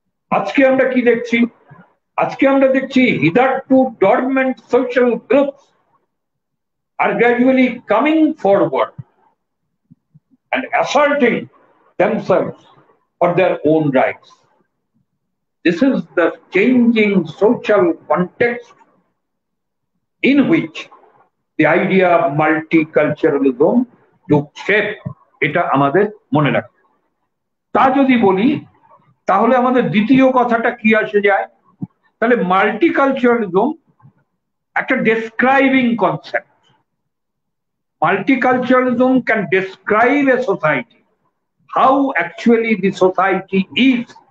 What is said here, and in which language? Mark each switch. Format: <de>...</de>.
<bn>আজকে আমরা কি দেখছি? আজকে আমরা দেখছি</bn> <en>Hitherto dormant social group are gradually coming forward and asserting themselves for their own rights. This is the changing social context in which the idea of multiculturalism took shape.</en> <bn>এটা আমাদের মনে রাখতে। তা যদি বলি, তাহলে আমাদের দ্বিতীয় কথাটা কি আসে যায়? তাহলে মাল্টিকালচারালিজম একটা describing concept.</bn> <en>multiculturalism can describe a society, how actually the society is</en>